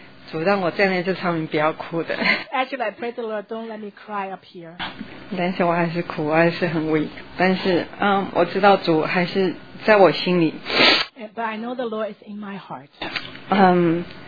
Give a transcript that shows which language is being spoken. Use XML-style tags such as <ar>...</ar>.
<zh>主让我站在这上面不要哭的。</zh> <en>Actually, I pray the Lord, don't let me cry up here.</en> <zh>但是我还是哭，我还是很 weak. 但是，我知道主还是在我心里。</zh> <en>But I know the Lord is in my heart.</en>